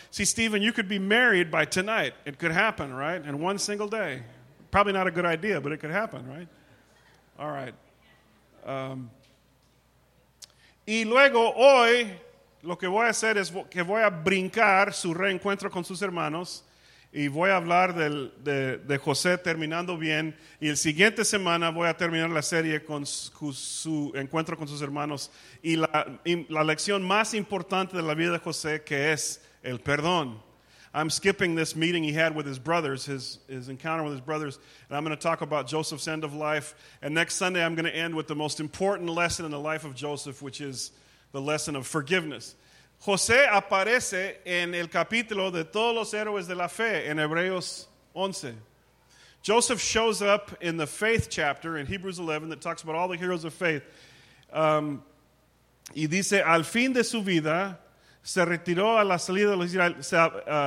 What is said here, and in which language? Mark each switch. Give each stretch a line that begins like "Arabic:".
English: See, Stephen, you could be married by tonight. It could happen, right? In one single day. Probably not a good idea, but it could happen, right? All right.
Spanish: Y luego hoy lo que voy a hacer es que voy a brincar su reencuentro con sus hermanos y voy a hablar de José terminando bien, y el siguiente semana voy a terminar la serie con su encuentro con sus hermanos y la lección más importante de la vida de José, que es el perdón.
English: I'm skipping this meeting he had with his brothers, his encounter with his brothers, and I'm going to talk about Joseph's end of life. And next Sunday, I'm going to end with the most important lesson in the life of Joseph, which is the lesson of forgiveness.
Spanish: José aparece en el capítulo de todos los héroes de la fe en Hebreos 11.
English: Joseph shows up in the faith chapter in Hebrews 11 that talks about all the heroes of faith.
Spanish: Y dice, al fin de su vida, se retiró a la salida de los israelitas.